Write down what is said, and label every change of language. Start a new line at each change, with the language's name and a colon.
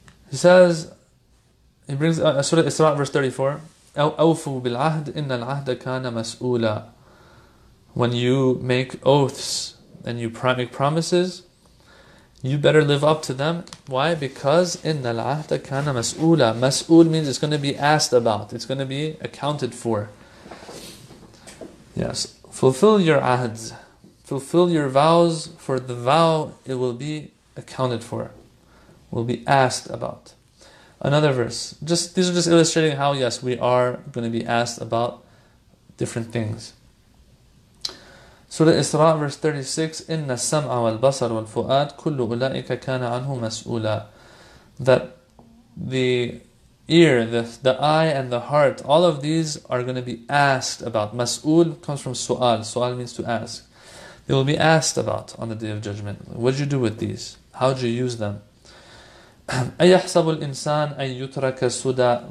English: He brings Surah Isra, verse 34.
Arabic: أَوْفُوا بِالْعَهْدِ إِنَّ الْعَهْدَ كَانَ مَسْؤُولًا.
English: When you make oaths and you make promises, you better live up to them. Why? Because
Arabic: إِنَّ الْعَهْدَ كَانَ مَسْؤُولًا.
English: مَسْؤُول means it's going to be asked about. It's going to be accounted for. Yes. Fulfill your ahds. Fulfill your vows. For the vow, it will be accounted for. Will be asked about. Another verse. These are just illustrating how, yes, we are going to be asked about different things. Surah Isra, verse 36,
Arabic: إِنَّ السَّمْعَ وَالْبَصَرُ وَالْفُؤَادُ كُلُّ أُولَٰئِكَ كَانَ عَنْهُ مَسْؤُولًا.
English: That the ear, the eye, and the heart, all of these are going to be asked about. مَسْؤُول comes from سُؤَال. سُؤَال means to ask. They will be asked about on the Day of Judgment. What did you do with these? How did you use them?
Arabic: أَيَحْسَبُ الْإِنسَانَ أَن يُتْرَكَ سُدَى.